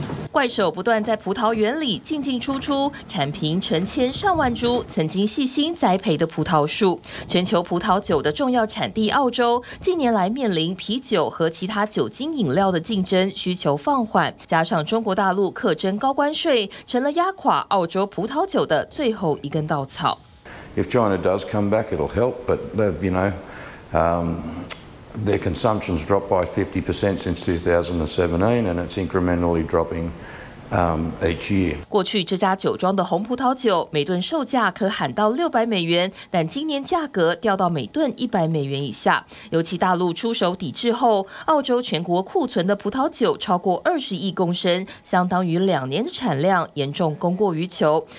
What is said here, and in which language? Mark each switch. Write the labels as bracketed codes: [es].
[zh] 怪手不断在葡萄园里进进出出，产品成千上万株曾经细心栽培的葡萄树。全球葡萄酒的重要产地澳洲近年来面临啤酒和其他酒精饮料的竞争需求放缓，加上中国大陆课征高关税，成了压垮澳洲葡萄酒的最后一根稻草。 [en] If China does come back, it'll help, but you know, their consumption's dropped by 50% since 2017, and it's incrementally dropping each year. [zh] 过去这家酒庄的红葡萄酒每吨售价可喊到600美元，但今年价格掉到每吨100美元以下。尤其大陆出手抵制后，澳洲全国库存的葡萄酒超过20亿公升，相当于2年的产量，严重供过于求。